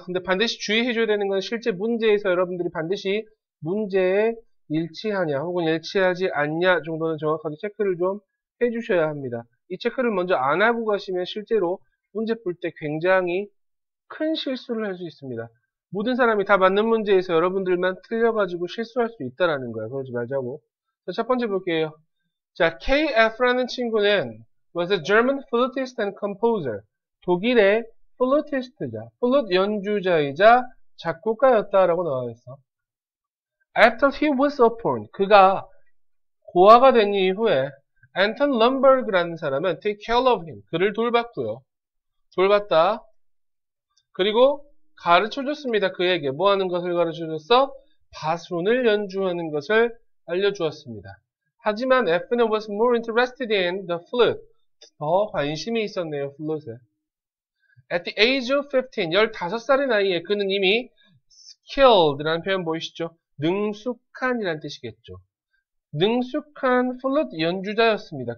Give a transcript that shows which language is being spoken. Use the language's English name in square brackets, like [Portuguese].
[Korean] 근데 반드시 주의해줘야 되는 건 실제 문제에서 여러분들이 반드시 문제에 일치하냐 혹은 일치하지 않냐 정도는 정확하게 체크를 좀 해주셔야 합니다. 이 체크를 먼저 안 하고 가시면 실제로 문제 풀때 굉장히 큰 실수를 할수 있습니다. 모든 사람이 다 맞는 문제에서 여러분들만 틀려가지고 실수할 수 있다라는 거야. 그러지 말자고. 자, 첫 번째 볼게요. 자, KF라는 친구는 [English] was a German flutist and composer. [Korean] 독일의 플루티스트자, 플룻 연주자이자 작곡가였다라고 나와 있어. After he was appointed, 그가 고아가 된 이후에 앤턴 럼버그라는 사람은 [English] take care of him, [Korean] 그를 돌봤고요. 돌봤다. 그리고 가르쳐줬습니다. 그에게 뭐 하는 것을 가르쳐줬어? 바순을 연주하는 것을 알려주었습니다. 하지만 F는 [English] was more interested in the flute. [Korean] 더 관심이 있었네요, 플룻에. [English] At the age of 15, [Korean] 15살의 나이에 그는 이미 skilled라는 표현 보이시죠? 능숙한이란 뜻이겠죠. 능숙한 플룻 연주자였습니다.